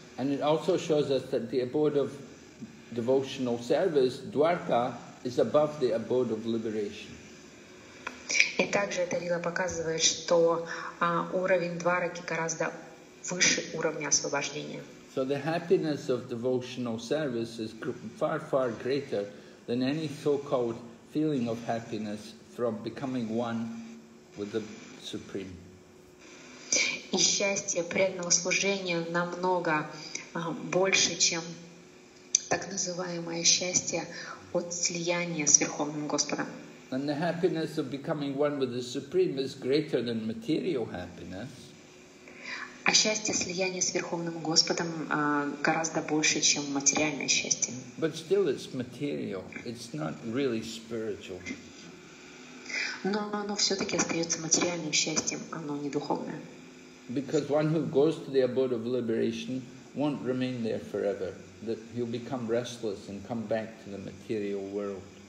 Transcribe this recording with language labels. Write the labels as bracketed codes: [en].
[en] And it also shows us that the abode of devotional service, Dwarka, is above the abode of liberation. [ru] И также эта лила показывает, что уровень Двараки гораздо выше уровня освобождения. [en] So the happiness of devotional service is far, far greater than any so-called feeling of happiness from becoming one with the Supreme. [ru] И счастье преданного служения намного больше, чем так называемое счастье от слияния с Верховным Господом. [en] And the happiness of becoming one with the Supreme is greater than material happiness. [ru] А счастье слияния с Верховным Господом гораздо больше, чем материальное счастье. [en] But still it's material. It's not really spiritual. [ru] Но оно все-таки остается материальным счастьем, оно не духовное. [en] Because one who goes to the abode of liberation won't remain there forever, that he'll become restless and come back to the material world.